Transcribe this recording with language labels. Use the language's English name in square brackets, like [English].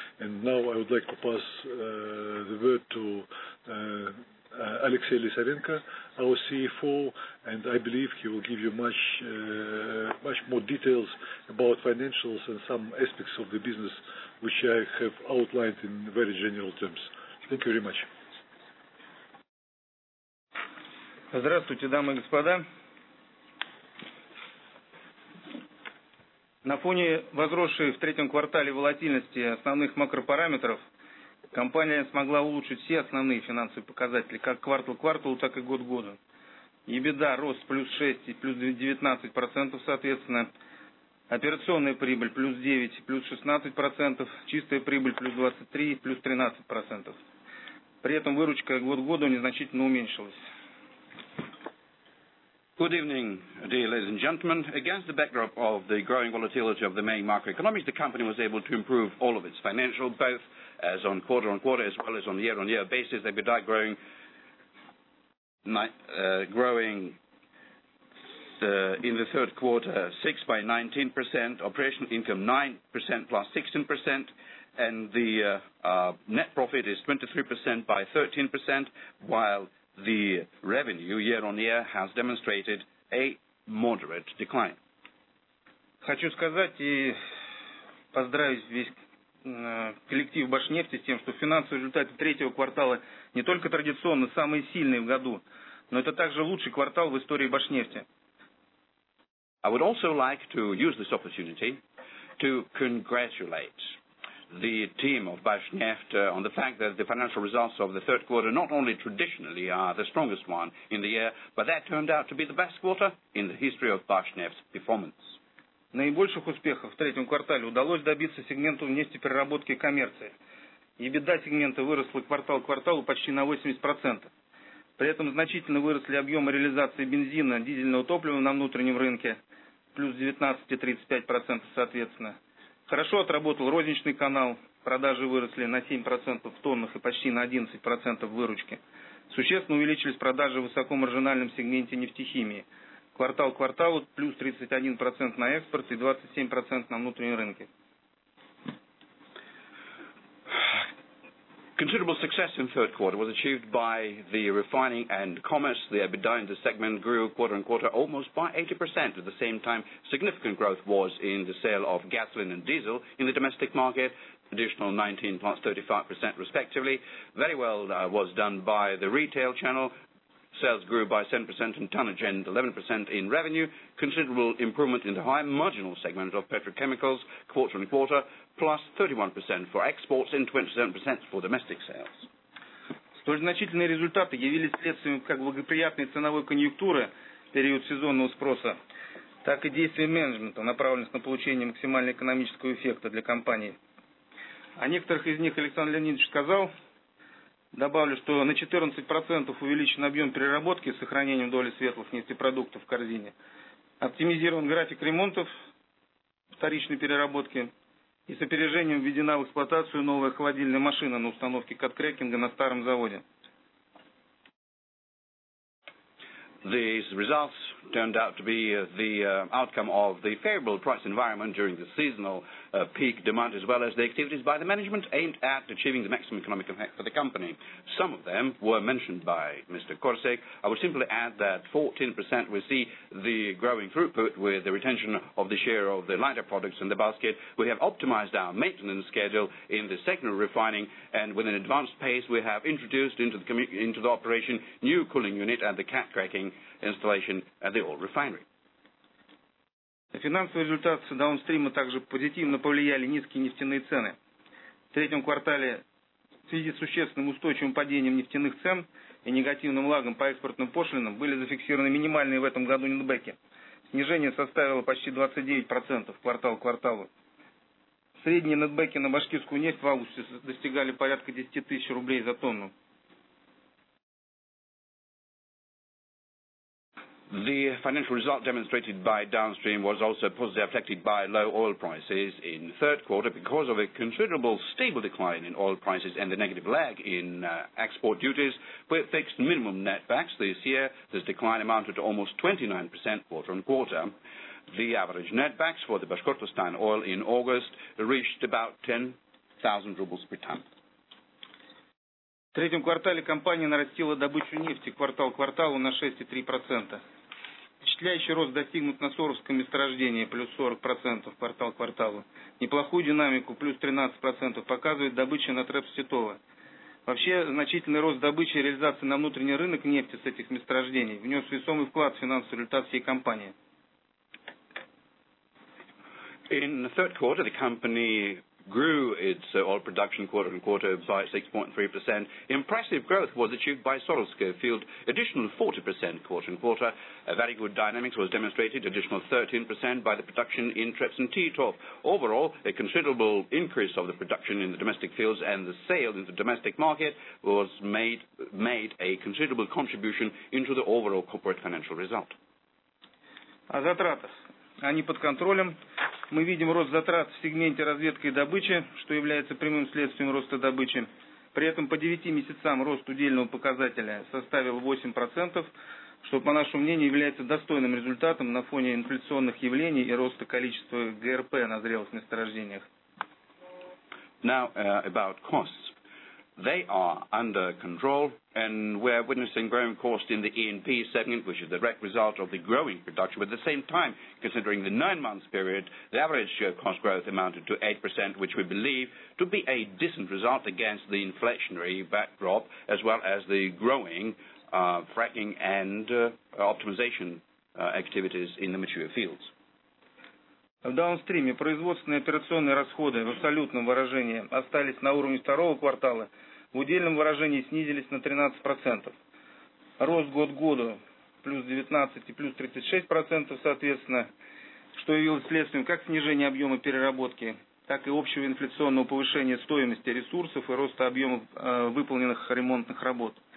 [English] And now I would like to pass the word to Alexey Lisarenko, our CFO, and I believe he will give you much more details about financials and some aspects of the business, which I have outlined in very general terms. Thank you very much. [Russian] Здравствуйте, дамы и господа. На фоне возросшей в третьем квартале волатильности основных макропараметров компания смогла улучшить все основные финансовые показатели, как квартал к кварталу, так и год к году. EBITDA рост плюс 6 и плюс 19%, соответственно. Операционная прибыль плюс 9 и плюс 16%. Чистая прибыль плюс 23 и плюс 13%. При этом выручка год к году незначительно уменьшилась. [English] Good evening, dear ladies and gentlemen. Against the backdrop of the growing volatility of the main macroeconomics, the company was able to improve all of its financial, both as on quarter-on-quarter as well as on year-on-year basis. EBITDA growing in the third quarter 6 by 19%, operational income 9% plus 16%, and the net profit is 23% by 13%, while the revenue year-on-year has demonstrated a moderate decline. [Russian] Хочу сказать и поздравить весь коллектив Башнефти с тем, что финансовые результаты третьего квартала не только традиционно самые сильные в году, но это также лучший квартал в истории Башнефти. [English] I would also like to use this opportunity to congratulate the team of Bashneft on the fact that the financial results of the third quarter not only traditionally are the strongest one in the year, but that turned out to be the best quarter in the history of Bashneft's performance. [Russian] Наибольших успехов в третьем квартале удалось добиться сегменту нефтепереработки и коммерции. EBITDA сегмента выросла квартал к кварталу почти на 80%. При этом значительно выросли объемы реализации бензина, дизельного топлива на внутреннем рынке, плюс 19,35% соответственно. Хорошо отработал розничный канал, продажи выросли на 7% в тоннах и почти на 11% выручки. Существенно увеличились продажи в высокомаржинальном сегменте нефтехимии. Квартал к кварталу плюс 31% на экспорт и 27% на внутреннем рынке. [English] Considerable success in third quarter was achieved by the refining and commerce. The EBITDA in the segment grew quarter on quarter almost by 80%. At the same time, significant growth was in the sale of gasoline and diesel in the domestic market, additional 19 plus 35% respectively. Very well was done by the retail channel. Sales grew by 7% in tonnage and 11% in revenue. Considerable improvement in the high marginal segment of petrochemicals, quarter on quarter, plus 31% for exports and 27% for domestic sales. [Russian] Столь значительные результаты явились следствием как благоприятной ценовой конъюнктуры в период сезонного спроса, так и действий менеджмента, направленных на получение максимально экономического эффекта для компании. О некоторых из них Александр Леонидович сказал. Добавлю, что на 14% увеличен объем переработки с сохранением доли светлых нефтепродуктов в корзине. Оптимизирован график ремонтов вторичной переработки. И с опережением введена в эксплуатацию новая холодильная машина на установке каткрекинга на старом заводе. [English] These results turned out to be the outcome of the favorable price environment during the seasonal peak demand, as well as the activities by the management aimed at achieving the maximum economic effect for the company. Some of them were mentioned by Mr. Korsek. I would simply add that 14% we see the growing throughput with the retention of the share of the lighter products in the basket. We have optimized our maintenance schedule in the secondary refining, and with an advanced pace, we have introduced into the operation new cooling unit at the cat cracking installation at the old refinery. [Russian] На финансовые результаты даунстрима также позитивно повлияли низкие нефтяные цены. В третьем квартале в связи с существенным устойчивым падением нефтяных цен и негативным лагом по экспортным пошлинам были зафиксированы минимальные в этом году нетбеки. Снижение составило почти 29% квартал к кварталу. Средние нетбеки на башкирскую нефть в августе достигали порядка 10 тысяч рублей за тонну. [English] The financial result demonstrated by downstream was also positively affected by low oil prices in third quarter because of a considerable stable decline in oil prices and the negative lag in export duties. With fixed minimum netbacks this year, this decline amounted to almost 29% quarter on quarter. The average netbacks for the Bashkortostan oil in August reached about 10,000 rubles per ton. [Russian] В третьем квартале компания нарастила добычу нефти квартал к кварталу на 6,3%. Впечатляющий рост достигнут на Соровском месторождении, плюс 40% квартал к кварталу. Неплохую динамику, плюс 13%, показывает добыча на Трепс-Титово. Вообще, значительный рост добычи и реализации на внутренний рынок нефти с этих месторождений внес весомый вклад в финансовый результат всей компании. [English] In the third quarter, the company grew its oil production quarter on quarter by 6.3%. Impressive growth was achieved by Sorosko field, additional 40% quarter on quarter. A very good dynamics was demonstrated, additional 13% by the production in Trepson Titov. Overall, a considerable increase of the production in the domestic fields and the sale in the domestic market was made a considerable contribution into the overall corporate financial result. [Russian] Они под контролем. Мы видим рост затрат в сегменте разведки и добычи, что является прямым следствием роста добычи. При этом по 9 месяцам рост удельного показателя составил 8%, что, по нашему мнению, является достойным результатом на фоне инфляционных явлений и роста количества ГРП на зрелых месторождениях. [English] Now, about costs. They are under control, and we're witnessing growing costs in the E&P segment, which is the direct result of the growing production. But at the same time, considering the 9 months period, the average cost growth amounted to 8%, which we believe to be a decent result against the inflationary backdrop, as well as the growing fracking and optimization activities in the mature fields. [Russian] В даунстриме производственные операционные расходы в абсолютном выражении остались на уровне второго квартала, в удельном выражении снизились на 13%. Рост год-году плюс 19 и плюс 36% соответственно, что явилось следствием как снижения объема переработки, так и общего инфляционного повышения стоимости ресурсов и роста объема выполненных ремонтных работ.